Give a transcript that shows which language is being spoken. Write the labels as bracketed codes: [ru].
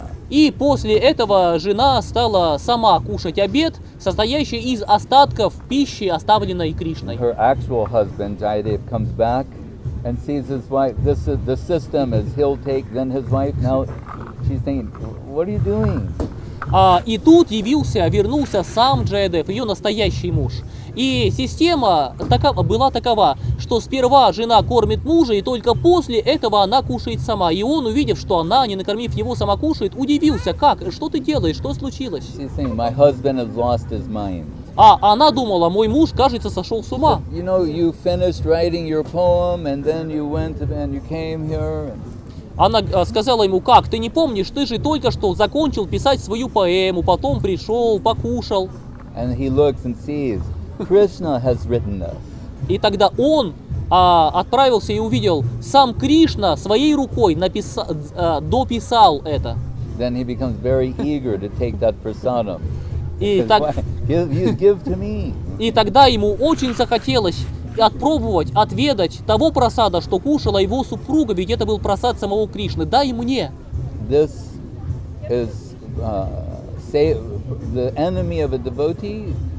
[ru] И после этого жена стала сама кушать обед, состоящий из остатков пищи, оставленной Кришной. [en] Her actual husband Jayadev comes back and sees his wife. This is the system: is he'll take, then his wife. Now she's thinking, what are you doing? [ru] И тут вернулся сам Джаядев, ее настоящий муж. И система была такова, что сперва жена кормит мужа, и только после этого она кушает сама. И он, увидев, что она, не накормив его, сама кушает, удивился, как, что ты делаешь, что случилось? [en] She's saying, my husband has lost his mind. [ru] А она думала, мой муж, кажется, сошел с ума. [en] You know, you finished writing your poem, and then you went and you came here. [ru] Она сказала ему, как, ты не помнишь, ты же только что закончил писать свою поэму, потом пришел, покушал. [en] And he looks and sees, Krishna has written this. [ru] И тогда он отправился и увидел, сам Кришна своей рукой дописал это. [en] Then he becomes very eager to take that prasadam. [ru] И тогда ему очень захотелось отпробовать, отведать того просада, что кушала его супруга, ведь это был просад самого Кришны. Дай мне. [en] This is the enemy of a devotee.